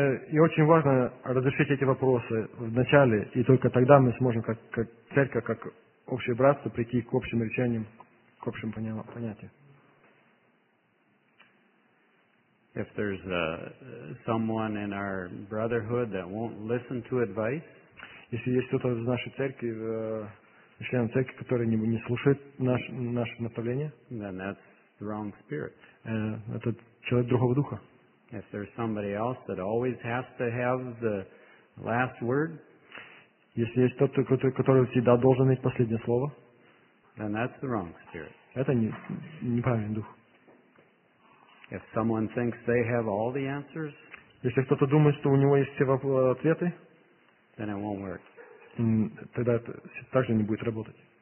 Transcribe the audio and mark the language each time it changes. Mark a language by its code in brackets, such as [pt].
[ru] И очень важно разрешить эти вопросы вначале, и только тогда мы сможем как церковь, как общее братство прийти к общим решениям, к общим понятиям. [en] If there's someone in our brotherhood that won't listen to advice, [ru] если есть кто-то из нашей церкви, член церкви, который не слушает наше наставление, [en] then that's the wrong spirit. [ru] Это человек другого духа. [en] If there's somebody else that always has to have the last word, [ru] если есть тот, который всегда должен иметь последнее слово, [en] then that's the wrong spirit. [ru] Это неправильный дух. [en] If someone thinks they have all the answers, [ru] если кто-то думает, что у него есть все ответы, [en] then it won't work. [ru] Тогда это также не будет работать.